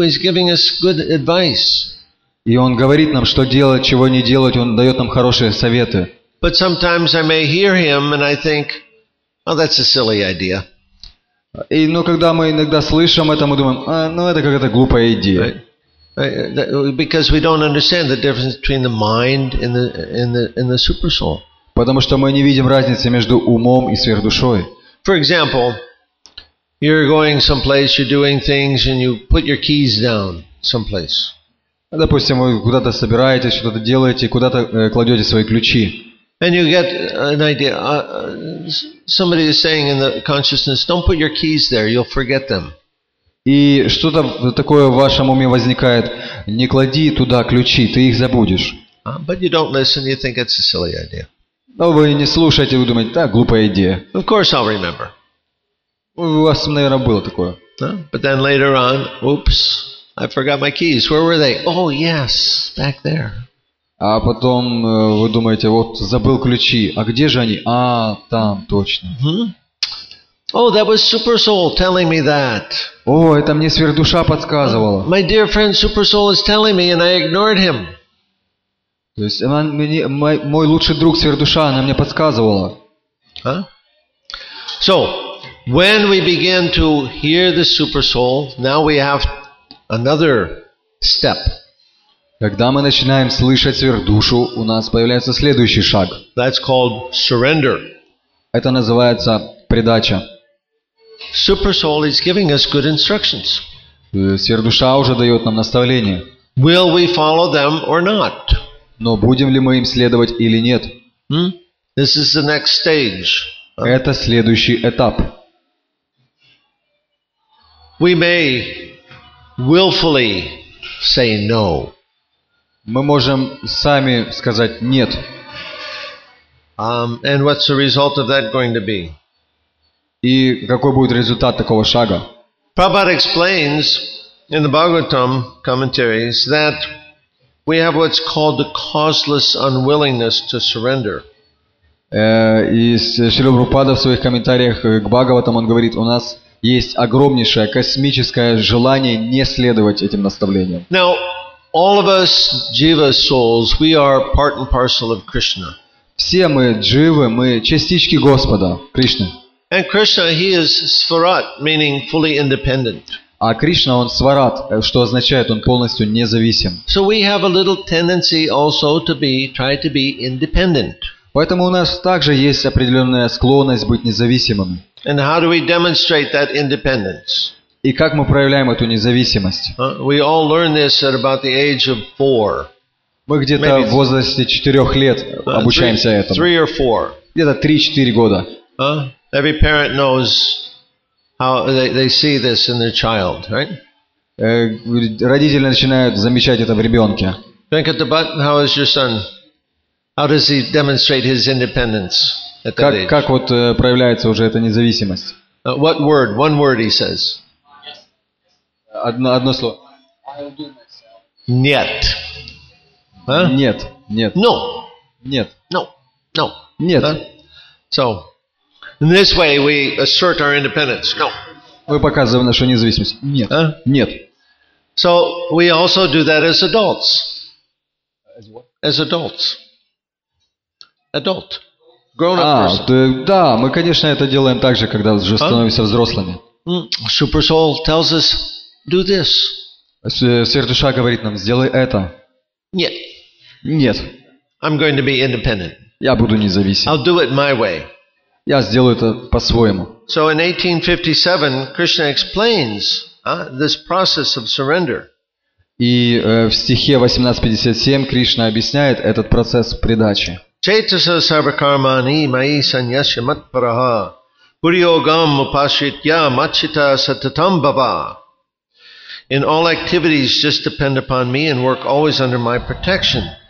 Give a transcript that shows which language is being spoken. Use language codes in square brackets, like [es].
[en] He's giving us good advice. [ru] И он говорит нам, что делать, чего не делать. Он дает нам хорошие советы. [en] But sometimes I may hear him and I think, oh, that's a silly idea. [ru] И, ну, когда мы иногда слышим это, мы думаем, а, ну, это какая-то глупая идея. [en] Because we don't understand the difference between the mind and the super soul. [ru] Потому что мы не видим разницы между умом и сверхдушой. [en] For example, you're going someplace, you're doing things, and you put your keys down someplace. [ru] Допустим, вы куда-то собираетесь, что-то делаете, куда-то кладете свои ключи. [en] And you get an idea. Somebody is saying in the consciousness, "Don't put your keys there; you'll forget them." [ru] И что-то такое в вашем уме возникает. Не клади туда ключи, ты их забудешь. [en] But you don't listen. You think it's a silly idea. [ru] Но вы не слушаете, вы думаете, да, глупая идея. [en] Of course, I'll remember. [ru] У вас, наверное, было такое. [en] But then later on, oops, I forgot my keys. Where were they? Oh yes, back there. [ru] А потом вы думаете, вот забыл ключи, а где же они? А, там, точно. [en] Oh, that was Super Soul telling me that. [ru] О, это мне сверхдуша подсказывала. [en] My dear friend Super Soul is telling me, and I ignored him. [ru] То есть мой лучший друг сверхдуша, она мне подсказывала. [en] So, when we begin to hear the Super Soul, now we have another step. [ru] Когда мы начинаем слышать сверхдушу, у нас появляется следующий шаг. [en] That's called surrender. [ru] Это называется предача. [en] Super Soul is giving us good instructions. [ru] Сверхдуша уже дает нам наставления. [en] Will we follow them or not? [ru] Но будем ли мы им следовать или нет? [en] This is the next stage. [ru] Это следующий этап. [en] We may willfully say no. [ru] Мы можем сами сказать нет. [en] And what's the result of that going to be? [ru] И какой будет результат такого шага? [en] Prabhupada explains in the Bhagavatam commentaries that we have what's called the causeless unwillingness to surrender. [ru] И Шрила Прабхупада в своих комментариях к Бхагаватам, он говорит, у нас есть огромнейшее космическое желание не следовать этим наставлениям. [en] Now, all of us jiva souls, we are part and parcel of Krishna. [ru] Все мы дживы, мы частички Господа, Кришны. [en] And Krishna, he is Svarat, meaning fully independent. [ru] А Кришна, он Сварат, что означает, он полностью независим. [en] So we have a little tendency also to be, try to be independent. [ru] Поэтому у нас также есть определенная склонность быть независимыми. [en] And how do we demonstrate that independence? [ru] И как мы проявляем эту независимость? [en] We all learn this at about the age of four. [ru] Мы где-то в возрасте 4 лет обучаемся этому. [en] Three or four. [ru] Где-то 3-4 года. [en] Every parent knows how they see this in their child, right? [ru] Родители начинают замечать это в ребенке. [en] Venkatabhat, how is your son? How does he demonstrate his independence at that age? [ru] Как вот проявляется уже эта независимость? [en] What word? One word he says. [ru] Одно слово. Нет. Нет. Нет. [en] No. [ru] Нет. [en] No. No. [ru] Нет. [en] So. In this way, we assert our independence. No. [ru] Мы показываем нашу независимость. Нет. Нет. [en] So we also do that as adults. As what? As adults. Adult. Grown-up person. [ru] Да, мы, конечно, это делаем также, когда уже становимся взрослыми. [en] Super Soul tells us, do this. [ru] Сверхдуша говорит нам, сделай это. Нет. Нет. [en] I'm going to be independent. [ru] Я буду независим. [en] I'll do it my way. [ru] Я сделаю это по-своему. [en] So in 1857, Krishna explains this process of surrender. [ru] И в стихе 1857 Кришна объясняет этот процесс предачи. [sa] Chetasa sarvakarmani mayi sanyasya matparaha puryogam upashritya machita satatam bhava. [en] In all activities, just depend upon me and work always under my protection.